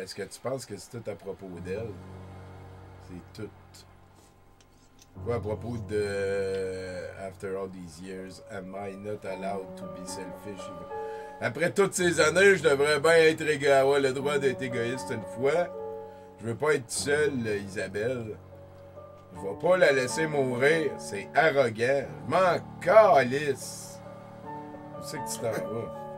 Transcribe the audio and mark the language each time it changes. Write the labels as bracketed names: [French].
[French] Est-ce que tu penses que c'est tout à propos d'elle? C'est tout. Quoi à propos de [English] After all these years, am I not allowed to be selfish? [French] Après toutes ces années, je devrais bien être égoïste, avoir le droit d'être égoïste une fois. Je veux pas être seul, Isabelle. Je vais pas la laisser mourir, c'est arrogant. Je m'en calisse. Où c'est que tu t'en vas?